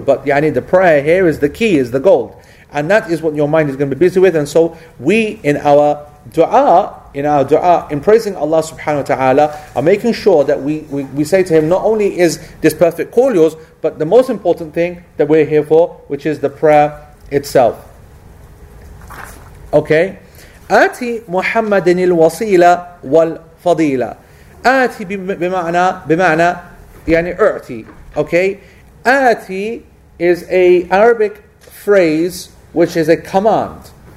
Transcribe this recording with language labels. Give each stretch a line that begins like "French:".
English: But yani the prayer here is the key, is the gold. And that is what your mind is going to be busy with. And so we, in our dua, in our dua, in praising Allah subhanahu wa ta'ala, are making sure that we say to Him, not only is this perfect call yours, but the most important thing that we're here for, which is the prayer itself. Okay?
Arabic: آتي محمد الوصيلة والفضيلة. آتي بمعنى يعني أعطي.
English: Okay? آتي is a Arabic phrase which is a command.